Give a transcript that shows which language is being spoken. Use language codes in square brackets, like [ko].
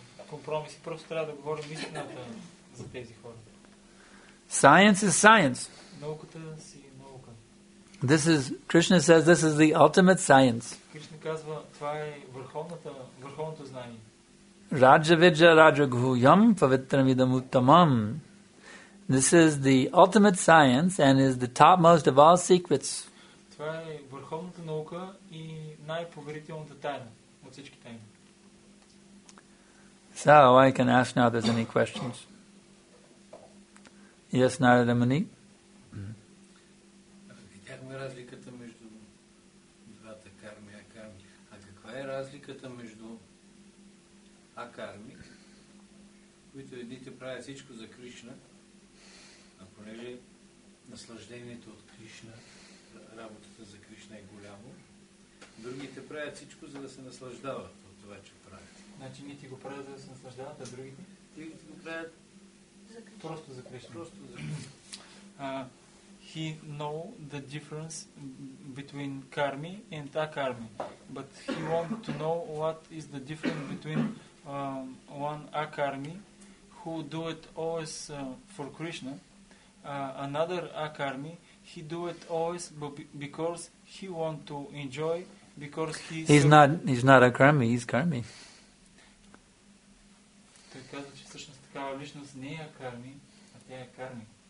[bg] компромиси, просто трябва да говорим истината за тези хора. [en] Science is science. [bg] Науката си наука. [en] This is, Krishna says, this is the ultimate science. [bg] Кришна казва, това е върховното знание. [sa] Rajavidya Rajaghuyam Pavitramidam Uttamam. [en] This is the ultimate science and is the topmost of all secrets. [bg] Това е върховната наука и най-поверителната тайна от всички тайни. [en] So I can ask now if there's any questions. Yes, Narada Muni. [bg] Видяхме разликата между двата карми и акарми. А каква е разликата между акарми, които едните правят всичко за Кришна, а понеже наслаждението от Кришна, работата за Кришна е голямо, другите правят всичко, за да се наслаждават от това, че правят. Значи ние ти го правят, за да се наслаждават, а другите? Ти го правят просто за Кришна. Просто за Кришна. [en] He know the difference between karmi and akarmi, but he want to know what is the difference between one akarmi who do it always for Krishna, another akarmi he do it always because he want to enjoy, because he's not akarmi, he's karmi. [bg] Той казва, че всъщност такава личност не е акарми, а тя е карми.